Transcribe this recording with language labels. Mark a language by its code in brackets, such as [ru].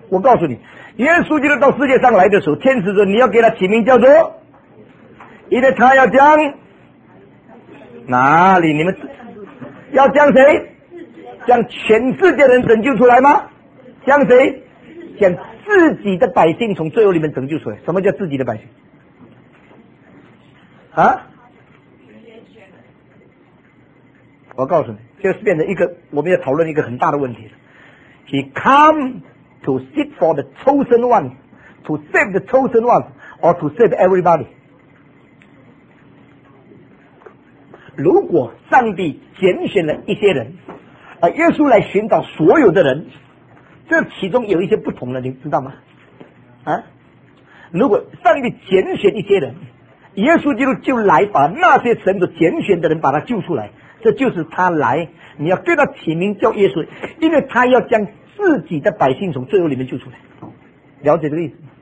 [zh] 我告诉你，耶稣基督到世界上来的时候，天使说你要给他起名叫做，因为他要将哪里，你们要将谁，将全世界的人拯救出来吗？将谁，将自己的百姓从罪恶里面拯救出来。什么叫自己的百姓啊？我告诉你，就是变成一个，我们要讨论一个很大的问题。 [en] He come to seek for the chosen one， to save the chosen one， or to save everybody。 [zh] 如果上帝拣选了一些人，而耶稣来寻找所有的人，这其中有一些不同的，你知道吗？啊，如果上帝拣选一些人，耶稣基督就来把那些神所拣选的人把他救出来，这就是他来，你要对他起名叫耶稣，因为他要将自己的百姓从罪恶里面救出来，了解这个意思？